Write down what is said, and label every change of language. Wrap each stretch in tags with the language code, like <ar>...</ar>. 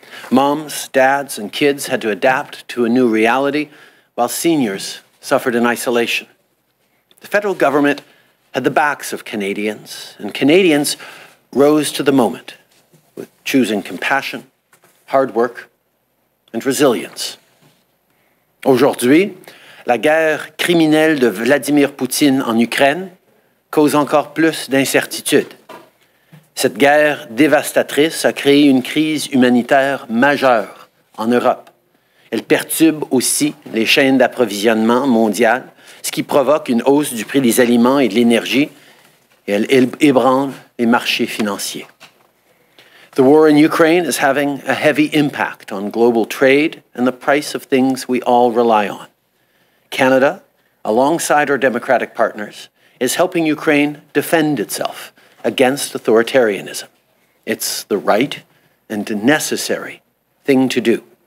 <en>Moms, dads, and kids had to adapt to a new reality, while seniors suffered in isolation. The federal government had the backs of Canadians, and Canadians rose to the moment with choosing compassion, hard work, and resilience.</en> <fr>Aujourd'hui, la guerre criminelle de Vladimir Poutine en Ukraine cause encore plus d'incertitudes. Cette guerre dévastatrice a créé une crise humanitaire majeure en Europe. Elle perturbe aussi les chaînes d'approvisionnement mondiales, ce qui provoque une hausse du prix des aliments et de l'énergie, et elle ébranle les marchés financiers.</fr> <en>The war in Ukraine is having a heavy impact on global trade and the price of things we all rely on. Canada, alongside our democratic partners, is helping Ukraine defend itself against authoritarianism. It's the right and necessary thing to do.</en>